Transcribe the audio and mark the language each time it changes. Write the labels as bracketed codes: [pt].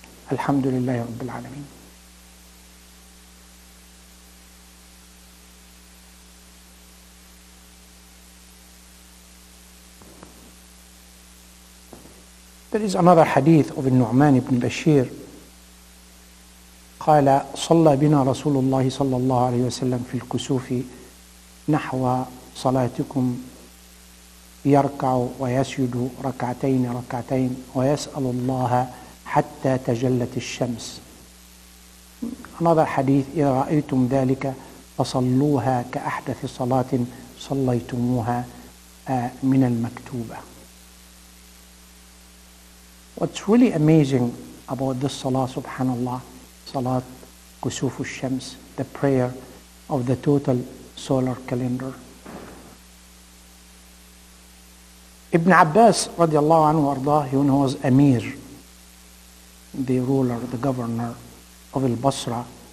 [ar] Alhamdulillah Rabbil Alameen. [en] There is another hadith of Nu'man ibn Bashir. [ar] قال صلى بنا رسول الله صلى الله عليه وسلم في الكسوف نحو صلاتكم يركع ويسجد ركعتين ركعتين ويسأل الله حتى تجلت الشمس. [en] Another hadith, [ar] إذا رأيتم ذلك فصلوها كأحدث صلاة صليتموها من المكتوبة. [en] What's really amazing about this salah, subhanallah, salat kusufu shams, the prayer of the total solar calendar. Ibn Abbas [ar] radiallahu anhu ardah, [en] he was amir, the ruler, the governor of al-Basra,